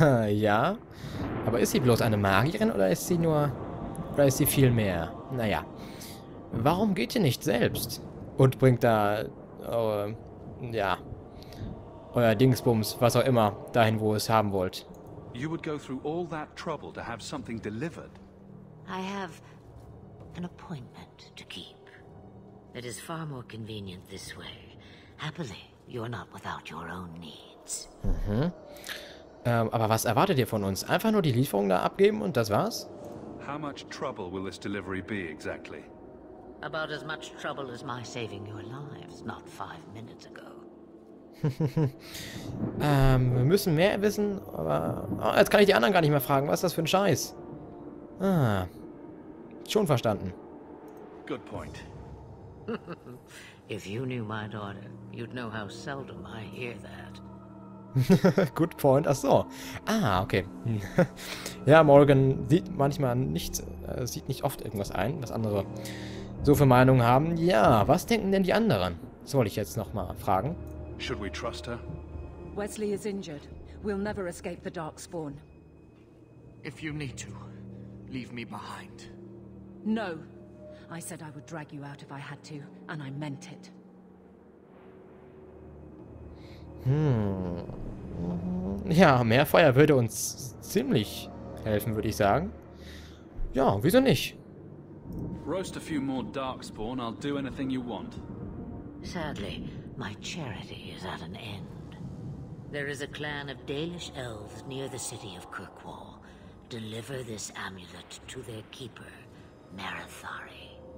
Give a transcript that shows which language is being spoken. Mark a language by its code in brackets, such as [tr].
[de] Ja, aber ist sie bloß eine Magierin oder ist sie nur... Oder ist sie viel mehr? Naja. Warum geht ihr nicht selbst und bringt da, ja, euer Dingsbums, was auch immer, dahin, wo ihr es haben wollt? [en] You would go through all that trouble to have something delivered. I have an appointment to keep. It is far more convenient this way. Happily, you're not without your own needs. [de] Mhm. Aber was erwartet ihr von uns? Einfach nur die Lieferung da abgeben und das war's? [en] How much trouble will this delivery be exactly? About as much trouble as my saving your lives not 5 minutes ago. [de] Wir müssen mehr wissen, aber jetzt kann ich die anderen gar nicht mehr fragen. Was ist das für ein Scheiß? Ah. Schon verstanden. [en] Good point. If you knew my daughter, you'd know how seldom I hear that. Good point. [de] Ach so. Ah, okay. Ja, Morgan sieht manchmal nicht, sieht nicht oft irgendwas ein, was andere so für Meinungen haben. Ja, was denken denn die anderen? Das wollte ich jetzt nochmal fragen. [en] Should we trust her? Wesley is injured. We'll never escape the Darkspawn. If you need to, leave me behind. No. I said I would drag you out if I had to, and I meant it. [de] Ja, mehr Feuer würde uns ziemlich helfen, würde ich sagen. Ja, wieso nicht? [en] Roast a few more Darkspawn, I'll do anything you want. Sadly, my charity is at an end. There is a clan of Dalish elves near the city of Kirkwall. Deliver this amulet to their keeper, Marathari.